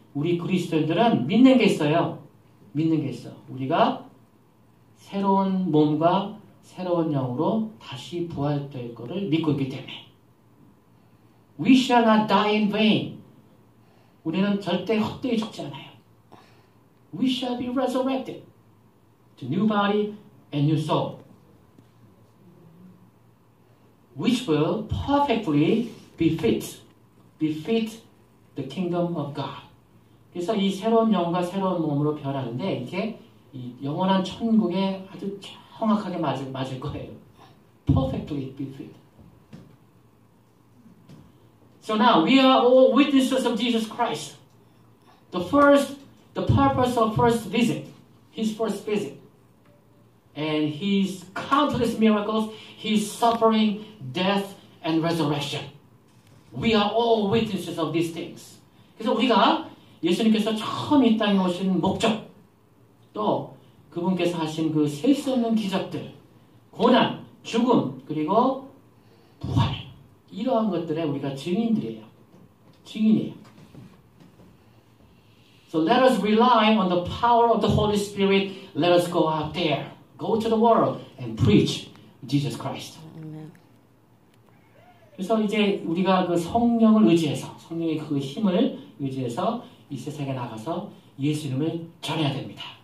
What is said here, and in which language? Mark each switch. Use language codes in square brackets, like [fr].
[ko] 우리 그리스도인들은 믿는 게 있어요. 믿는 게 있어. 우리가 새로운 몸과 새로운 영으로 다시 부활될 것을 믿고 있기 때문에. [en] We shall not die in vain. [ko] 우리는 절대 헛되이 죽지 않아요. [en] We shall be resurrected to new body and new soul, which will perfectly befit the kingdom of God. [ko] 그래서 이 새로운 영과 새로운 몸으로 변하는데 이게 이 영원한 천국에 아주 정확하게 맞을 거예요. [en] Perfectly befit. So now we are all witnesses of Jesus Christ. The purpose of first visit, his first visit, and his countless miracles, his suffering, death, and resurrection. We are all witnesses of these things. [ko] 그래서 우리가 예수님께서 처음 이 땅에 오신 목적, 또 그분께서 하신 그 셀 수 없는 기적들, 고난, 죽음, 그리고 부활, 이러한 것들에 우리가 증인들이에요. 증인이에요. [en] So let us rely on the power of the Holy Spirit. Let us go out there. Go to the world and preach Jesus Christ. Amen. [ko] 그래서 이제 우리가 그 성령을 의지해서, 성령의 그 힘을 의지해서 이 세상에 나가서 예수님을 전해야 됩니다.